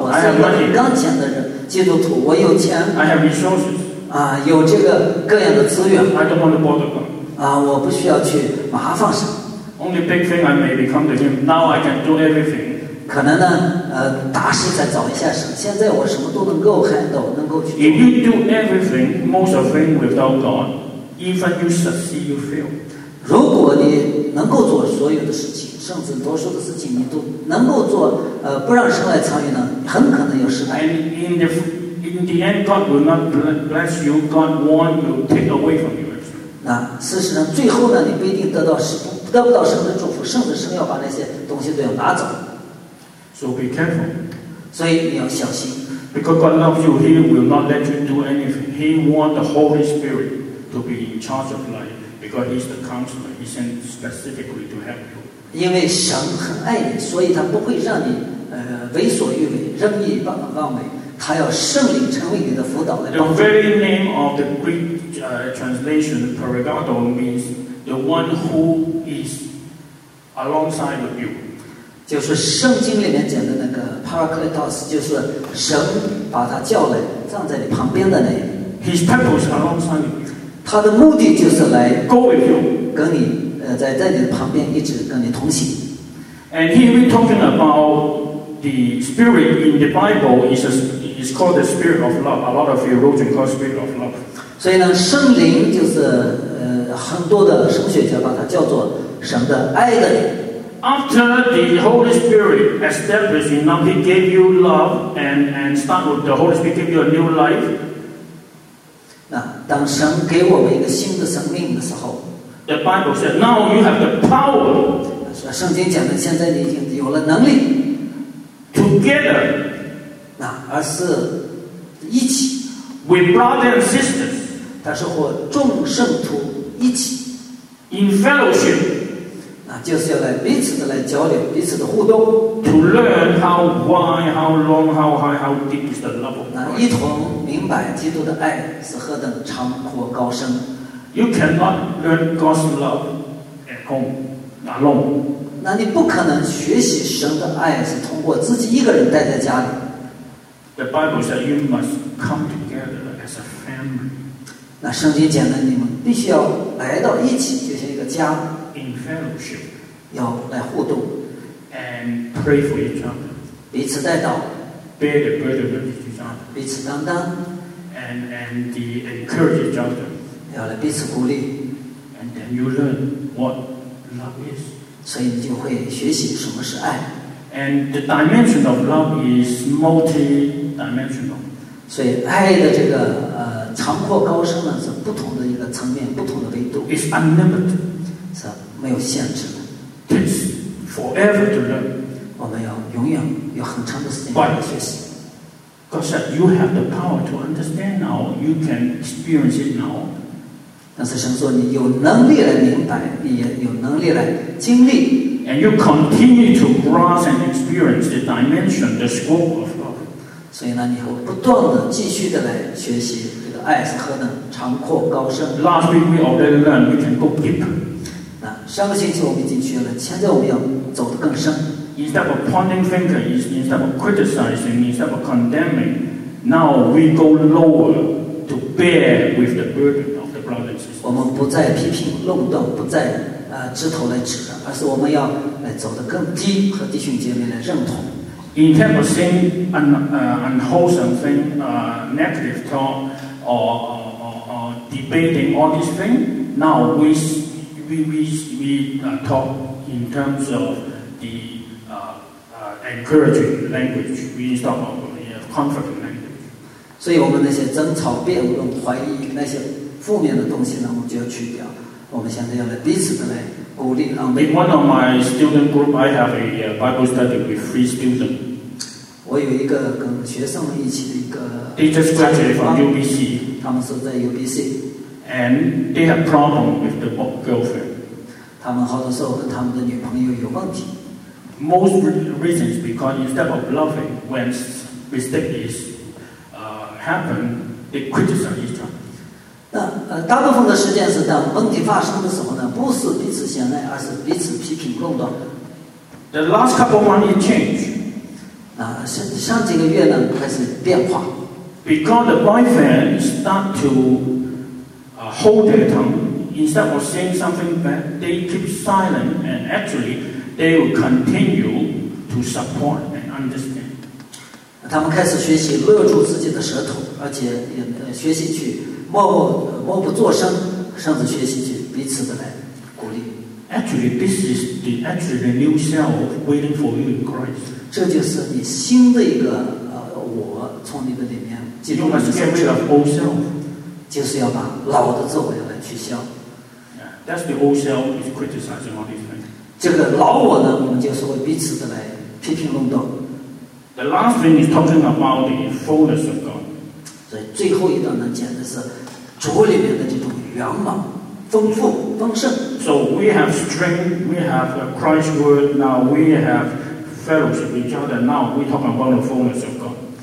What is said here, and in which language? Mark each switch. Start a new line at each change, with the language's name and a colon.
Chinese: 我是一个很刚强的人，基督徒，我有钱。
English: I have resources.
Chinese: 啊，有这个各样的资源。
English: I don't want to bother God.
Chinese: 啊，我不需要去麻烦神。
English: Only big thing I may become to him. Now I can do everything.
Chinese: 可能呢，大事再找一下神。现在我什么都能够 handle， 能够去。
English: If you do everything, most of things without God, even you succeed, you fail.
Chinese: 如果你能够做所有的事情，甚至多数的事情你都能够做，不让神来参与呢，很可能有失败。
English: And in the end, God will not bless you. God won't you take away from you.
Chinese: 那事实上，最后呢，你不一定得到失败。得不到神的祝福，甚至神要把那些东西都要拿走。
English: So be careful.
Chinese: 所以你要小心。
English: Because God loves you, He will not let you do anything. He wants the Holy Spirit to be in charge of life, because He's the counselor. He sent specifically to help you.
Chinese: 因为神很爱你，所以他不会让你为所欲为，任意妄为。他要圣灵成为你的辅导来帮助。
English: The very name of the Greek translation, Paragato, means the one who is alongside of you.
Chinese: 就是圣经里面讲的那个 Paracletos， 就是神把他叫来站在你旁边的那个。
English: His purpose alongside you.
Chinese: 他的目的就是来
English: go with you，
Chinese: 跟你在你的旁边一直跟你同行。
English: And he will be talking about the spirit in the Bible. It's called the spirit of love. A lot of theologians call spirit of love.
Chinese: 所以呢，圣灵就是。很多的神学家把它叫做神的爱的灵。
English: After the Holy Spirit established in love, He gave you love and start with the Holy Spirit gave you a new life.
Chinese: 那当神给我们一个新的生命的时候
English: ，The Bible said, "Now you have the power."
Chinese: 圣经讲的，现在你已经有了能力。
English: Together.
Chinese: 那而是一起。
English: With brothers and sisters.
Chinese: 他是和众圣徒。一起
English: ，in fellowship，
Chinese: 那就是要来彼此的来交流，彼此的互动。
English: To learn how wide, how long, how high, how deep is the love of God。
Chinese: 那一同明白基督的爱是何等长阔高深。
English: You cannot learn God's love at home alone。
Chinese: 那你不可能学习神的爱是通过自己一个人待在家里。
English: The Bible says you must come together as a family。
Chinese: 那圣经讲的你们必须要来到一起，就像一个家。
English: In fellowship，
Chinese: 要来互动。
English: And pray for each other，
Chinese: 彼此带到。
English: Bear the burden of each other，
Chinese: 彼此担当。
English: And the encourage each other，
Chinese: 要来彼此鼓励。
English: And then you learn what love is，
Chinese: 所以你就会学习什么是爱。
English: And the dimension of love is multi-dimensional，
Chinese: 所以爱的这个长阔高深呢，是不同的一个层面，不同的维度。
English: It's unlimited，
Chinese: 是没有限制的。
English: It's forever to learn，
Chinese: 我们要永远有很长的时间来学习。
English: God said you have the power to understand now, you can experience it now。
Chinese: 但是神说你有能力来明白，你也有能力来经历。
English: And you continue to grasp and experience the dimension, the scope of God。
Chinese: 所以呢，你会不断的继续的来学习。爱是何等长阔高深。
English: Last week we already learned we can go deeper.
Chinese: 那上个星期我们已经学了，现在我们要走得更深。
English: Instead of pointing fingers, instead of criticizing, instead of condemning, now we go lower to bear with the burden of the brothers.
Chinese: 我们不再批评论断，不再指头来指，而是我们要来走得更低，和弟兄姐妹来认同。
English: In terms of saying unwholesome thing, negative talk. Or debating all these things. Now we talk in terms of the encouraging language. We talk of comforting language.
Chinese: 所以我们那些争吵、辩论、怀疑那些负面的东西呢，我们就要去掉。我们现在要来彼此的来鼓励、安慰。
English: In one of my student group, I have a Bible study with three students.
Chinese: 我有一个跟学生们一起的一个。
English: They just graduated from UBC.
Chinese: 他们是在 UBC.
English: And they have problem with the girlfriend.
Chinese: 他们好多时候跟他们的女朋友有问题。
English: Most reasons because instead of loving, when mistake is happen, they criticize each other.
Chinese: 大部分的事件是等问题发生的时候呢，不是彼此相爱，而是彼此批评论断。
English: The last couple months it changed.
Chinese: 上几个月呢开始变化。
English: Because the boyfriend start to hold their tongue instead of saying something bad, they keep silent and actually they will continue to support and understand.
Chinese: 他们开始学习勒住自己的舌头，而且也学习去默不作声，甚至学习去彼此的来鼓励。
English: Actually, this is the actual new self waiting for you in Christ.
Chinese: 这就是你新的一个我从你的里面进入。
English: You must get rid of old self.
Chinese: 就是要把老的自我要来取消。
English: Yeah, that's the old self is criticizing all these things.
Chinese: 这个老我呢，我们就是会彼此的来批评论断。
English: The last thing is talking about the fullness of God.
Chinese: 所以最后一段呢，讲的是主里面的这种圆满。丰富丰盛。
English: So we have strength, we have a Christ's word, now we have fellowship with each other, now we talk about the fullness of God.